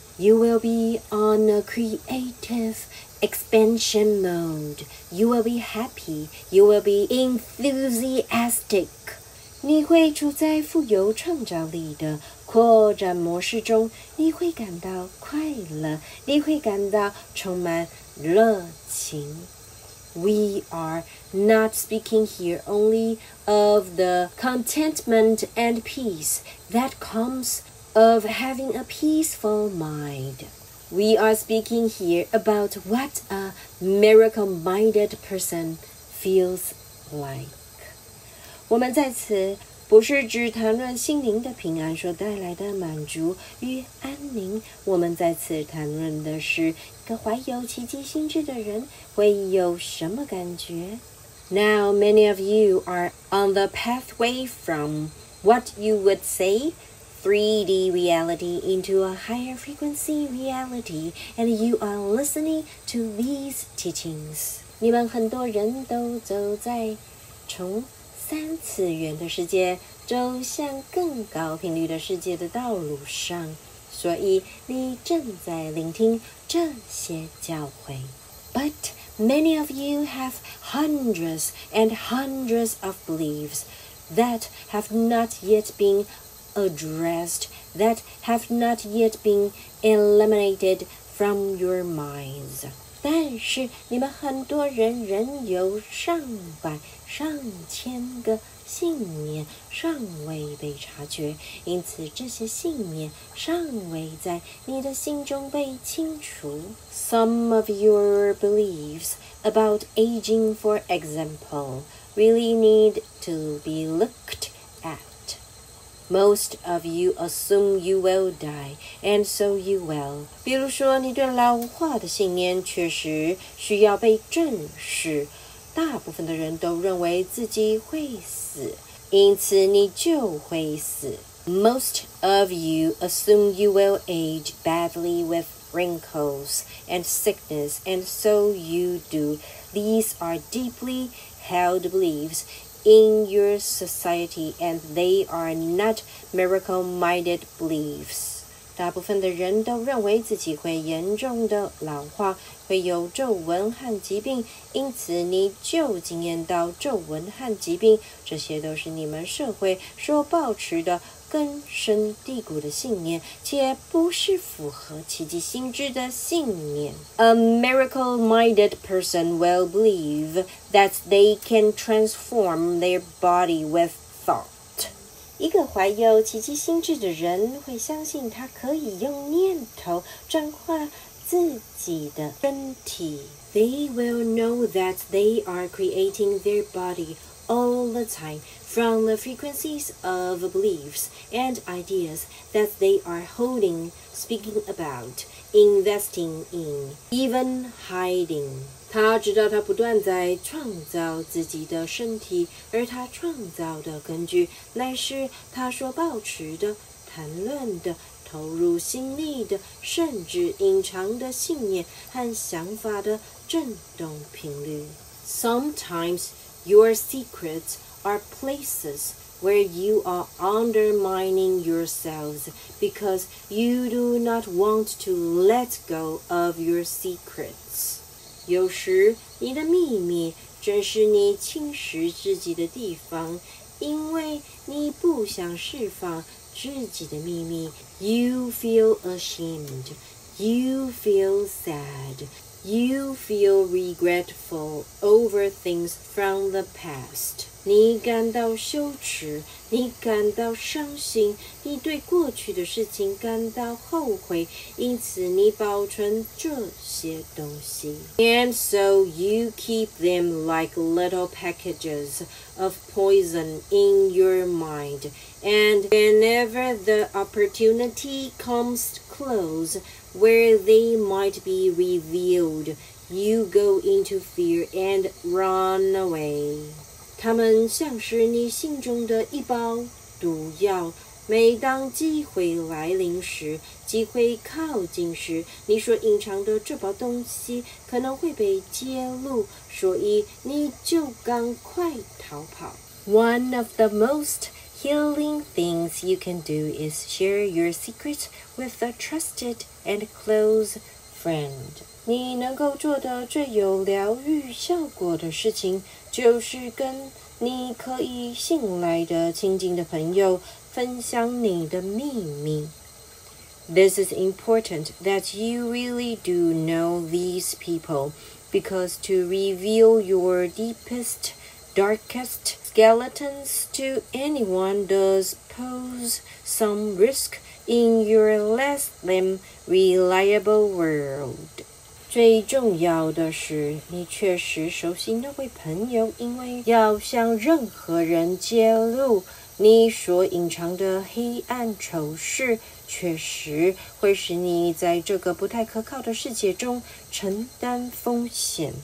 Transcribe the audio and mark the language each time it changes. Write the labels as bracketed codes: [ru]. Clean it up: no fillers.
[en] You will be on a creative expansion mode. You will be happy. You will be enthusiastic. [zh] 你会处在富有创造力的扩展模式中，你会感到快乐，你会感到充满热情。 [en] We are not speaking here only of the contentment and peace that comes of having a peaceful mind. We are speaking here about what a miracle-minded person feels like. [zh] 我们在此不是只谈论心灵的平安所带来的满足与安宁，我们在此谈论的是一个怀有奇迹心智的人会有什么感觉。 [en] Now many of you are on the pathway from what you would say 3D reality into a higher frequency reality, and you are listening to these teachings. [zh] 你们很多人都走在从三次元的世界走向更高频率的世界的道路上，所以你正在聆听这些教诲。 [en] But many of you have hundreds and hundreds of beliefs that have not yet been addressed, that have not yet been eliminated from your minds. [zh] 但是你们很多人仍有上百上千个信念尚未被察觉，因此这些信念尚未在你的心中被清除。 [en] Some of your beliefs about aging, for example, really need to be looked at. Most of you assume you will die, and so you will. [zh] 比如说你对老化的信念确实需要被正视，大部分的人都认为自己会死，因此你就会死。 [en] Most of you assume you will age badly with wrinkles and sickness, and so you do. These are deeply held beliefs in your society, and they are not miracle-minded beliefs. [zh] 大部分的人都认为自己会严重的老化，会有皱纹和疾病，因此你就经验到皱纹和疾病，这些都是你们社会所保持的根深蒂固的信念，且不是符合奇迹心智的信念。 [en] A miracle-minded person will believe that they can transform their body with thought. [zh] 一个怀有奇迹心智的人会相信他可以用念头转化自己的身体。 [en] They will know that they are creating their body all the time from the frequencies of beliefs and ideas that they are holding, speaking about, investing in, even hiding. [zh] 他知道他不断在创造自己的身体，而他创造的根据乃是他所保持的、谈论的、投入心力的，甚至隐藏的信念和想法的振动频率。 [en] Sometimes your secrets are places where you are undermining yourselves because you do not want to let go of your secrets. [zh] 有时你的秘密正是你侵蚀自己的地方，因为你不想释放自己的秘密。 [en] You feel ashamed, you feel sad, you feel regretful over things from the past. [zh] 你感到羞耻，你感到伤心，你对过去的事情感到后悔，因此你保存这些东西。 [en] And so you keep them like little packages of poison in your mind. And whenever the opportunity comes close where they might be revealed, you go into fear and run away. [zh] 他们像是你心中的一包毒药，每当机会来临时，机会靠近时，你所隐藏的这包东西可能会被揭露，所以你就赶快逃跑。 [en] One of the most healing things you can do is share your secret with a trusted and close friend. [zh] 你能够做的最有疗愈效果的事情，就是跟你可以信赖的亲近的朋友分享你的秘密。 [en] This is important that you really do know these people, because to reveal your deepest, darkest skeletons to anyone does pose some risk in your less than reliable world. [zh] 最重要的是你确实熟悉那位朋友，因为要向任何人揭露你所隐藏的黑暗丑事，确实会使你在这个不太可靠的世界中承担风险。